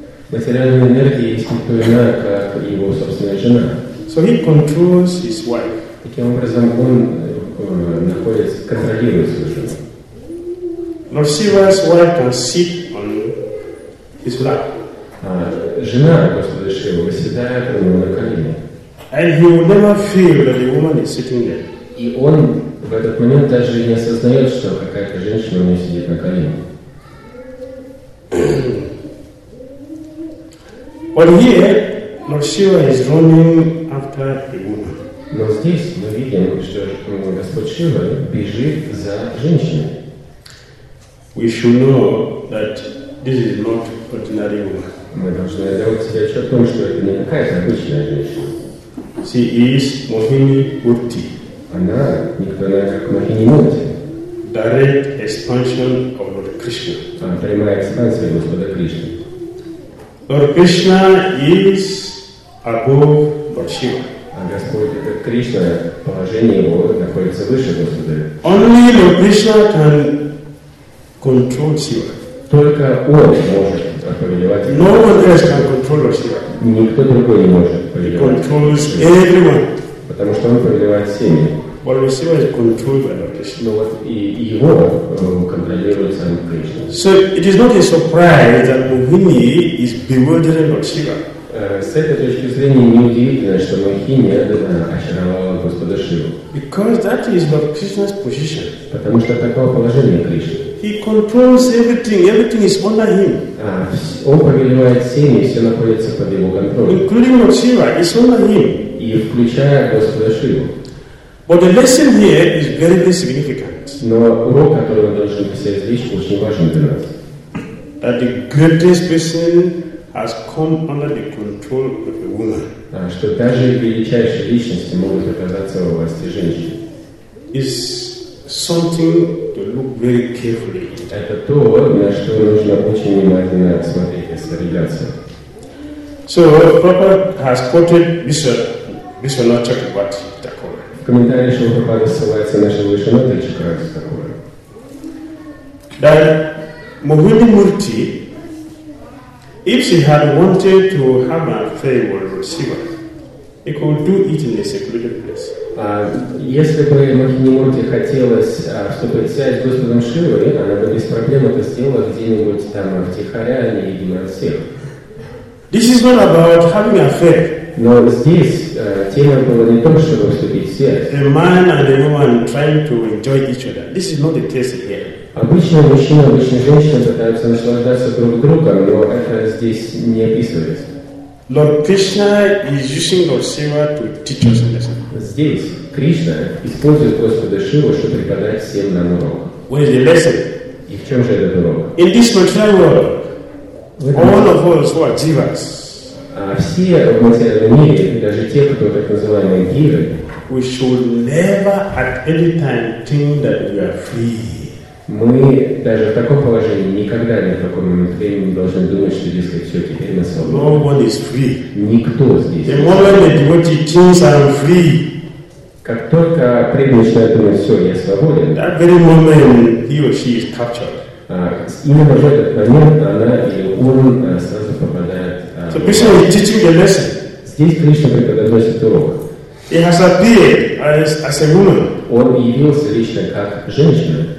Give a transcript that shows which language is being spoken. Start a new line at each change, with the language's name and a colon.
Russian: Материальная энергия есть не то иное, как его собственная жена.
English: So he controls his wife.
Russian: Таким образом, он находится, контролирует свою жену.
English: Lord Shiva's wife can sit on his lap.
Russian: Жена Господа Шивы восседает у него на колене.
English: And he will never feel that the woman is sitting there.
Russian: И он в этот момент даже не осознает, что какая-то женщина у него сидит на коленях.
English: But here, Lord is running after the woman.
Russian: Но здесь мы видим, что Господь Шива бежит за женщиной.
English: We should know that this is not ordinary woman.
Russian: Мы должны делать себе отчет о том, что это не какая-то обычная женщина.
English: She is Mohini Murti.
Russian: Она не кто иной, как Mohini Murti.
English: Direct expansion of Lord Krishna.
Russian: Она прямая экспансия Господа Кришны.
English: Lord Krishna is above Lord Shiva.
Russian: А Господь Кришна, положение его находится выше Господа.
English: Only Lord Krishna can control Shiva.
Russian: Только он может повелевать.
English: No one else can control Shiva.
Russian: Никто другой не может повелевать.
English: He controls everyone.
Russian: Потому что он повелевает всеми.
English: Well, Shiva is controlled by Lord Krishna.
Russian: Но вот и его контролирует сам Кришна.
English: So it is not a surprise that Mohini is bewildering Lord Shiva.
Russian: С этой точки зрения неудивительно, что Мохини очаровала Господа Шиву.
English: Because that is Lord Krishna's position.
Russian: Потому что такое положение Кришны.
English: He controls everything. Everything is under him.
Russian: Он повелевает всеми, все находится под его контролем.
English: Including Lord Shiva, it's under him.
Russian: И включая Господа Шиву.
English: But the lesson here is very, very significant.
Russian: Но урок, который мы должны посетить здесь, очень важен для нас.
English: That the greatest person has come under the control of the woman.
Russian: Что даже величайшие личности могут оказаться во власти женщины.
English: Is something to look very carefully.
Russian: Это то, на что нужно очень внимательно смотреть и сориентироваться.
English: So Prabhupada has quoted Vishwanatha Chakravarti Thakur.
Russian: В комментарии Шрила Прабхупады ссылается на Шрилу Вишванатха Чакраварти Такура.
English: That Mohini Murti, if she had wanted to have an affair with Lord Shiva, he could do it in a secluded place.
Russian: Если бы Mohini Murti хотелось вступить в связь с Господом Шивой, она бы без проблем это сделала где-нибудь там втихаря или видимо от всех.
English: This is not about having an affair.
Russian: Но здесь тема была не то, чтобы вступить в связь.
English: A man and a woman trying to enjoy each other. This is not the case here.
Russian: Обычно мужчина, обычно женщина пытаются наслаждаться друг другом, но это здесь не описывается.
English: Lord Krishna is using Lord Shiva to teach us a lesson.
Russian: Здесь Кришна использует Господа Шиву, чтобы преподать всем нам урок.
English: What is the lesson?
Russian: И в чем же этот урок?
English: In this material world, all of us who are jivas.
Russian: Все в материальном мире, даже те, кто так называемые гиры,
English: we should never at any time think that we are free.
Russian: Мы даже в таком положении никогда ни в каком момент времени не должны думать, что здесь как все теперь на свободе.
English: No one is free.
Russian: Никто здесь.
English: The moment the devotee thinks I'm free.
Russian: Как только преданный начинает думать, все, я свободен.
English: That very moment he or she is captured.
Russian: Именно в этот момент она или он сразу попадает.
English: So Krishna is teaching the lesson.
Russian: Здесь Кришна преподносит урок.
English: He has appeared as a woman.
Russian: Он явился лично как женщина.